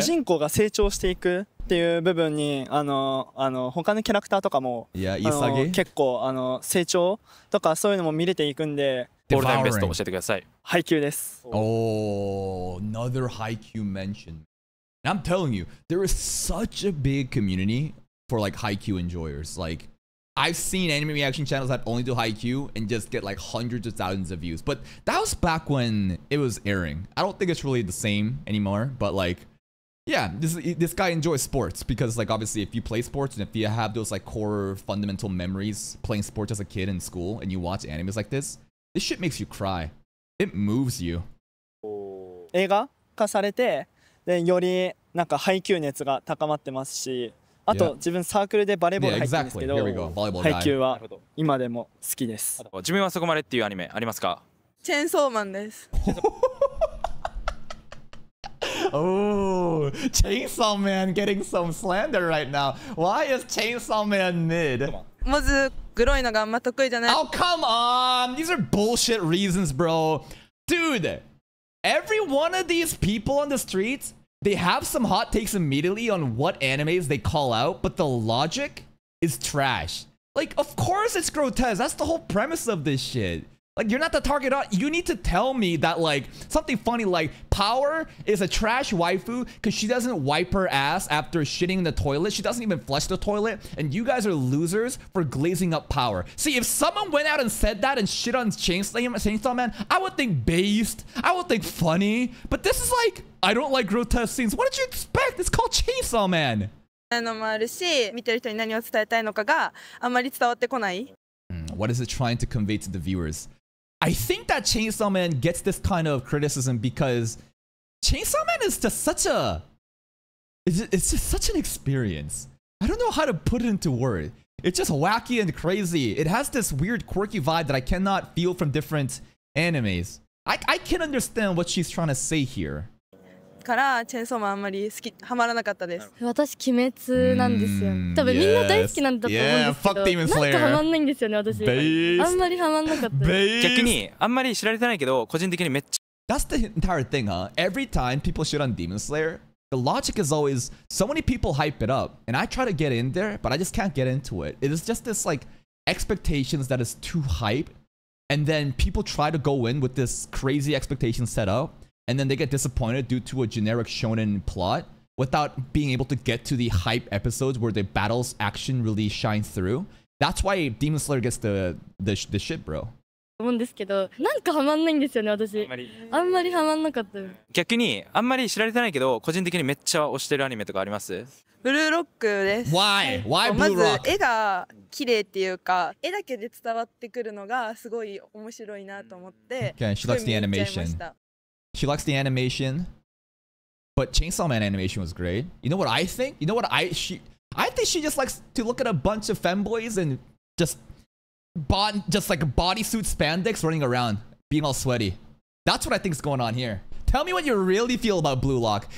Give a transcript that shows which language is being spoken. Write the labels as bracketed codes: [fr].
[ja] 主人公が成長していくっていう部分に、他のキャラクターとかも、 yeah, 結構、成長とかそういうのも見れていくんで、オールタイムベスト教えてください。ハイキューです。 [en] Another ハイキュー mention. And I'm telling you, there is such a big community for like ハイキュー enjoyers. Like, I've seen anime reaction channels that only do ハイキューand just get like hundreds of thousands of views. But that was back when it was airing. I don't think it's really the same anymore. But like, yeah, this guy enjoys sports because like obviously if you play sports and if you have those like core fundamental memories playing sports as a kid in school and you watch animes like this. This shit makes you cry. It moves you. [ja] 映画化されて、でよりなんか配球熱が高まってますし、あと、yeah. 自分サークルでバレーボール入ってるんですけど、 [en] yeah, exactly. [ja] 配球は今でも好きです。自分はそこまでっていうアニメありますか？チェーンソーマンです。 [en] Oh, Chainsaw Man getting some slander right now. Why is Chainsaw Man mid? まずグロいのがあんま得意じゃない。 Oh, come on! These are bullshit reasons, bro. Dude, every one of these people on the streets, they have some hot takes immediately on what animes they call out, but the logic is trash. Like, of course it's grotesque. That's the whole premise of this shit. Like, you're not the target audience. You need to tell me that, like, something funny, like, Power is a trash waifu because she doesn't wipe her ass after shitting in the toilet. She doesn't even flush the toilet. And you guys are losers for glazing up Power. See, if someone went out and said that and shit on Chainsaw Man, I would think based. I would think funny. But this is like, I don't like grotesque scenes. What did you expect? It's called Chainsaw Man. [ja] のもあるし、見てる人に何を伝えたいのかがあんまり伝わってこない。 [en] What is it trying to convey to the viewers? I think that Chainsaw Man gets this kind of criticism because Chainsaw Man is just such a... It's just such an experience. I don't know how to put it into words. It's just wacky and crazy. It has this weird quirky vibe that I cannot feel from different animes. I can understand what she's trying to say here. [ja] からチェーンソーマンあんまり好きハマらなかったです。私鬼滅なんですよ。Mm, 多分、 yes. みんな大好きなんだと思うんですけど、 yeah, なんかハマんないんですよね私。 [en] Based. [ja] あんまりハマんなかった。 [en] Based. [ja] 逆にあんまり知られてないけど個人的にめっちゃ。 [en] That's the entire thing, huh? Every time people shit on Demon Slayer, the logic is always so many people hype it up, and I try to get in there, but I just can't get into it. It is just this like expectations that is too hype, and then people try to go in with this crazy expectation set up. And then they get disappointed due to a generic shonen plot without being able to get to the hype episodes where the battle's action really shines through. That's why Demon Slayer gets the shit, bro. I think it's like, I don't like it. I don't like it. I don't like it. [ja] 逆に、あんまり知られてないけど、個人的にめっちゃ推してるアニメとかあります？ブルーロックです。 [en] Why? Why Blue Rock? [ja] まず絵が綺麗っていうか、絵だけで伝わってくるのがすごい面白いなと思って、 [en] okay, she likes the animation. She likes the animation, but Chainsaw Man animation was great. You know what I think? You know what I think she just likes to look at a bunch of femboys and just like bodysuit spandex running around, being all sweaty. That's what I think is going on here. Tell me what you really feel about Blue Lock.